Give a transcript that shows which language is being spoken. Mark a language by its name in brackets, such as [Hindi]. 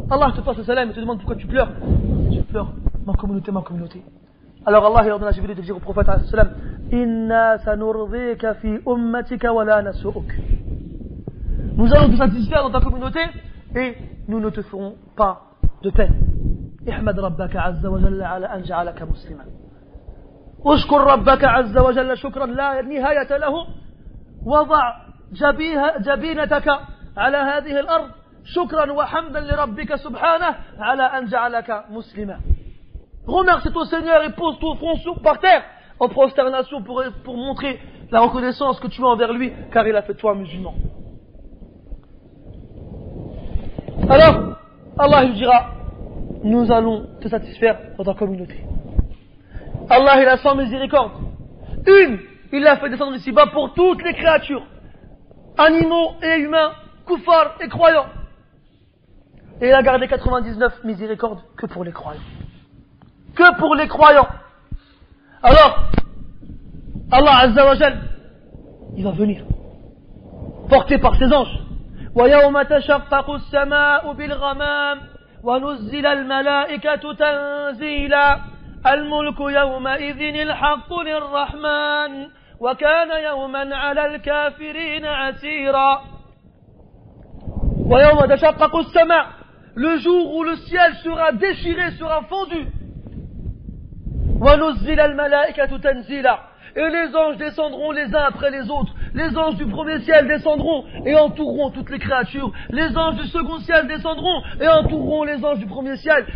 [French] Allah te fasse le salam et te demande pourquoi tu pleures. Je pleure, ma communauté. Alors Allah, il ordonne à Jibril de dire au prophète, alayhi salam, [Arabic] inna sanurdhika fi ummatika wa la nasu'uk. [French] Nous allons te satisfaire dans ta communauté et nous ne te ferons pas de peine. [Arabic] Ihmad rabbaka azza wa jalla ala anja'alaka muslima. اشكر ربك عز وجل شكرا لا نهاية له وضع جبينتك على هذه الأرض شكرا وحمدا لربك سبحانه على أن جعلك مسلما. [French] Remercie ton Seigneur et pose ton front par terre en prosternation pour montrer la reconnaissance que tu as envers lui car il a fait toi musulman. Alors Allah lui dira, nous allons te satisfaire dans ta communauté. Allah, il a 100 miséricordes. Une, il l'a fait descendre ici-bas pour toutes les créatures, animaux et humains, koufars et croyants. Et il a gardé 99 miséricordes que pour les croyants. Que pour les croyants. Alors, Allah Azza wa Jal, il va venir, porté par ses anges. [Arabic] Wa yawma tashaqqaqu as-sama'u bil ghamam wa nuzzila al-mala'ikatu tanzila. الملك يومئذ الحق للرحمن وكان يوما على الكافرين عسيرا ويوم تشقق السماء. [French] Le jour où le ciel sera déchiré, sera fondu. [Arabic] ونزل الملائكة تنزيلا. [French] Et les anges descendront les uns après les autres. Les anges du premier ciel descendront et entoureront toutes les créatures. Les anges du second ciel descendront et entoureront les anges du premier ciel.